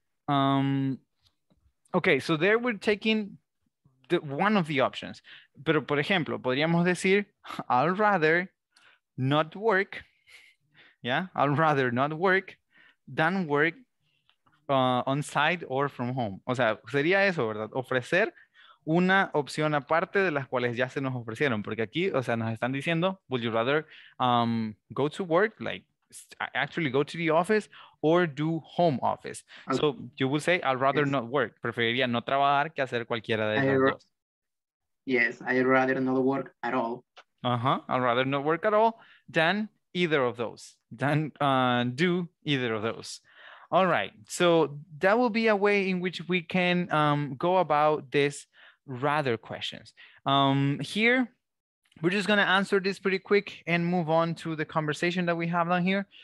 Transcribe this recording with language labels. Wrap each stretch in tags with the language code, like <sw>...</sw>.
<en>Okay, so there we're taking one of the options.</en> <es>Pero, por ejemplo, podríamos decir,</es> <en>I'd rather not work, yeah? I'd rather not work than work on site or from home.</en> <es>O sea, sería eso, ¿verdad? Ofrecer una opción aparte de las cuales ya se nos ofrecieron. Porque aquí, o sea, nos están diciendo,</es> <en>would you rather go to work, like, actually go to the office or do home office. Okay. So you would say, I'd rather not work.</en> <es>Preferiría no trabajar que hacer cualquiera de esas dos.</es> <en>Yes, I'd rather not work at all. I'd rather not work at all than either of those, than do either of those. All right, so that will be a way in which we can go about this rather questions. Here, we're just going to answer this pretty quick and move on to the conversation that we have down here.</en>